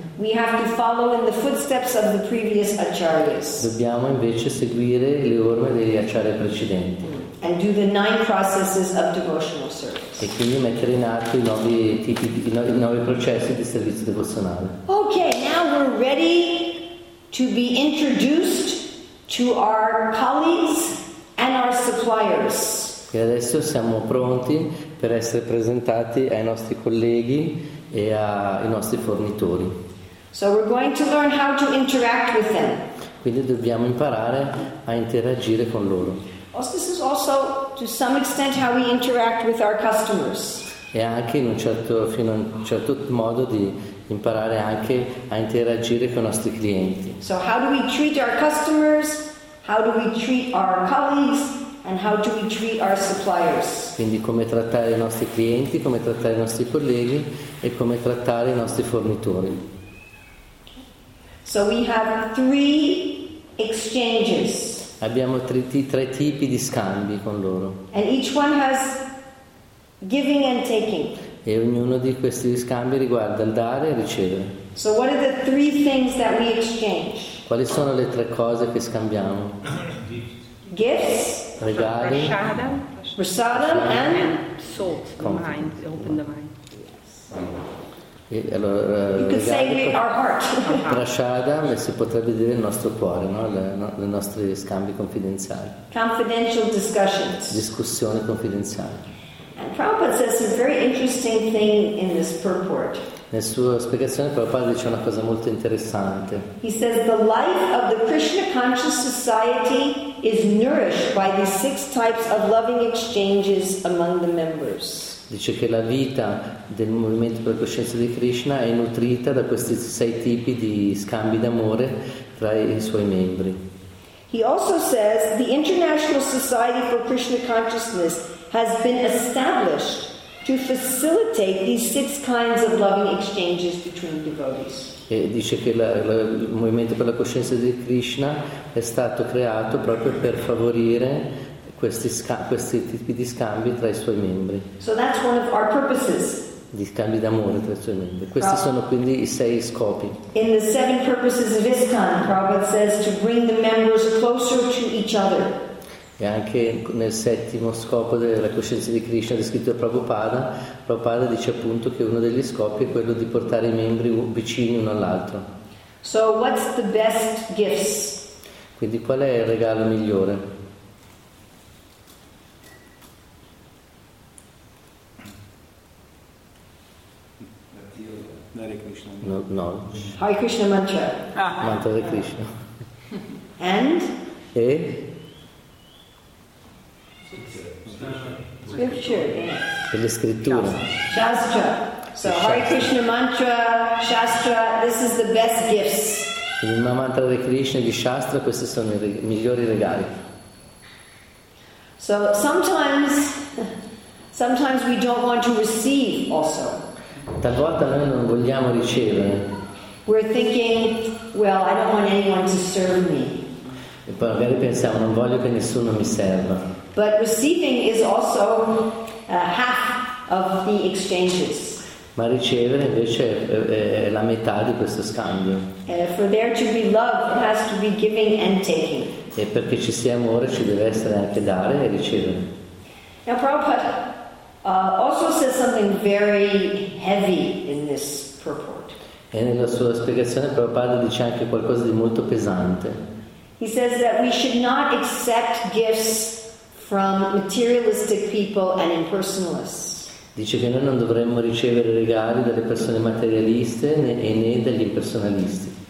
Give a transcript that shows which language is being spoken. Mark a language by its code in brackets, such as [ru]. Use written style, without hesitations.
[en] we have to follow in the footsteps of the previous acharyas. [it] Dobbiamo invece seguire le orme degli acharya precedenti. [en] And do the nine processes of devotional service. [it] E quindi mettere in atto i nuovi processi di servizio devozionale. [en] Okay, now we're ready to be introduced to our colleagues and our suppliers. [it] E adesso siamo pronti per essere presentati ai nostri colleghi e ai nostri fornitori. [en] So we're going to learn how to interact with them. [it] Quindi dobbiamo imparare a interagire con loro. [en] This is also, to some extent, how we interact with our customers. [it] E anche fino a un certo modo di imparare anche a interagire con i nostri clienti. [en] So how do we treat our customers? How do we treat our colleagues? And how do we treat our suppliers? [it] Quindi come trattare i nostri clienti, come trattare i nostri colleghi e come trattare i nostri fornitori. [en] So we have three exchanges. [it] Abbiamo tre tipi di scambi con loro. [en] And each one has giving and taking. [it] E ognuno di questi scambi riguarda il dare e ricevere. [en] So what are the three things that we exchange? [it] Quali sono le tre cose che scambiamo? [en] Gifts. [it] Regali, prasadam, [en] and salt, the mind, open the mind. Yes. [it] E allora, [en] you could say our heart. [it] Prasadam, e si potrebbe dire il nostro cuore, no? Le nostri scambi confidenziali. [en] Confidential discussions. [it] Discussioni confidenziali. [en] And Prabhupada says a very interesting thing in this purport. [it] Nella sua spiegazione Prabhupada dice una cosa molto interessante. [en] He says the life of the Krishna conscious society is nourished by these six types of loving exchanges among the members. [it] Dice che la vita del movimento per la coscienza di Krishna è nutrita da questi sei tipi di scambi d'amore tra i suoi membri. [en] He also says the International Society for Krishna Consciousness has been established to facilitate these six kinds of loving exchanges between devotees. [it] E dice che il movimento per la coscienza di Krishna è stato creato proprio per favorire questi tipi di scambi tra i suoi membri. [en] So that's one of our purposes. [it] di scambi d'amore tra i suoi membri. Questi sono quindi i sei scopi. [en] In the seven purposes of ISKCON, Prabhupada says to bring the members closer to each other. [it] E anche nel settimo scopo della coscienza di Krishna descritto da Prabhupada, Prabhupada dice appunto che uno degli scopi è quello di portare i membri vicini uno all'altro. [en] So what's the best gifts? [it] Quindi qual è il regalo migliore? [en] Hare Krishna mantra. [it] Mantra di Krishna. [en] And? [it] E? [en] Scripture. [it] E le scritture. [en] Shastra. So Hare Krishna mantra, Shastra, this is the best gifts. [it] Il mantra di Krishna e di Shastra, questi sono i migliori regali. [en] So sometimes we don't want to receive also. [it] Talvolta noi non vogliamo ricevere. [en] We're thinking, well, I don't want anyone to serve me. [it] E poi magari pensiamo, non voglio che nessuno mi serva. [en] But receiving is also half of the exchanges. [it] Ma ricevere invece è la metà di questo scambio. [en] For there to be love, it has to be giving and taking. [it] E perché ci sia amore, ci deve essere anche dare e ricevere. [en] Now, Prabhupada also says something very heavy in this purport. [it] E nella sua spiegazione Prabhupada dice anche qualcosa di molto pesante. [en] He says that we should not accept gifts from materialistic people and impersonalists. [it] Dice che noi non dovremmo ricevere regali dalle persone materialiste né dagli impersonalisti.